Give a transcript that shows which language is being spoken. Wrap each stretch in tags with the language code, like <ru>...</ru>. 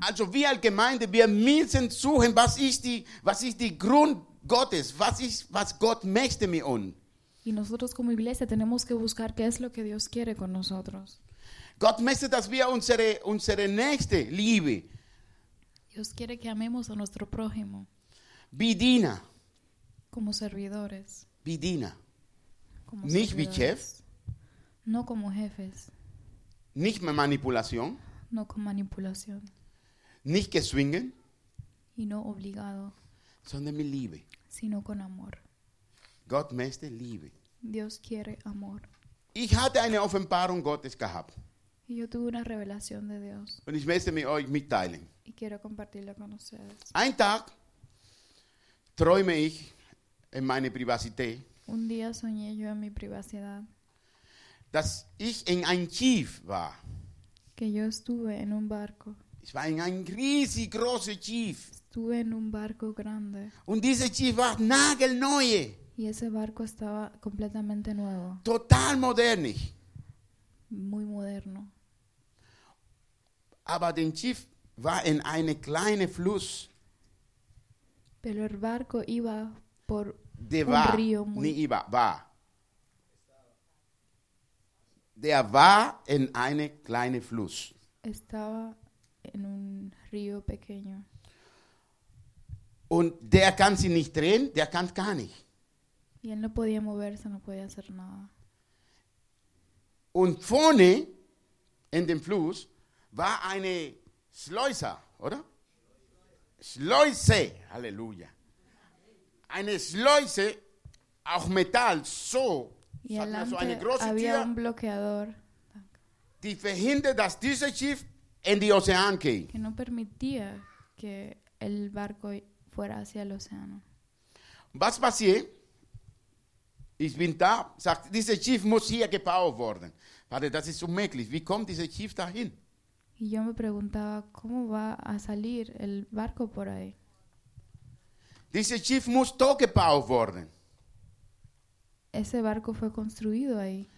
<de>Also wir als Gemeinde, wir müssen suchen, was ist die Grund Gottes, was Gott möchte mit uns.</de> <es>Y nosotros como iglesia tenemos que buscar qué es lo que Dios quiere con nosotros.</es> <de>Gott möchte, dass wir unsere Nächste lieben.</de> <es>Dios quiere que amemos a nuestro prójimo. Bidina. Como servidores.</es> <de>Bidina. Nicht wie Chef.</de> <es>No como jefes.</es> <de>Nicht mit Manipulation.</de> <es>No con manipulación.</es> <de>Nicht gezwungen.</de> <es>Y no obligado.</es> <de>Sondern mit Liebe.</de> <es>Sino con amor.</es> <de>Gott möchte Liebe.</de> <es>Dios quiere amor.</es> <de>Ich hatte eine Offenbarung Gottes gehabt.</de> <es>Y yo tuve una revelación de Dios.</es> <de>Und ich möchte mit euch mitteilen.</de> <es>Y quiero compartirla con ustedes.</es> <de>Ein Tag träume ich in meine Privacität.</de> <es>Un día soñé yo en mi privacidad.</es> <de>Dass ich in einem Schiff war.</de> <es>Que yo estuve en un barco.</es> <de>Ich war in einem riesig großen Schiff.</de> <es>Estuve en un barco grande.</es> <de>Und dieses Schiff war nagelneu.</de> <es>Y ese barco estaba completamente nuevo. Total moderno. Muy moderno.</es> <de>Aber das Schiff war in einem kleinen Fluss.</de> <es>Pero el barco iba por de un</es> <de>war,</de> <es>río muy. Ni iba,</es> <de>war. Der war in einem kleinen Fluss.</de> <es>Estaba en un río pequeño.</es> <de>Und der kann sich nicht drehen, der kann gar nicht.</de> <es>Y él no podía moverse, no podía hacer nada.</es> <de>Und vorne in dem Fluss war eine Schleuse, oder? Schleuse, halleluja. Eine Schleuse, auch Metall, so.</de> <es>Y adelante había un bloqueador</es> <de>die verhindert, dass dieses Schiff in die Ozean geht.</de> <es>Que no permitía que el barco fuera hacia el océano.</es> <de>Was passiert? Ich bin da, sagt, dieses Schiff muss hier gebaut worden. Warte, das ist unmöglich. Wie kommt dieses Schiff dahin?</de> <es>Y yo me preguntaba, ¿cómo va a salir el barco por ahí?</es> <de>Dieses Schiff musste gebaut worden.</de> <es>Ese barco fue construido ahí.</es>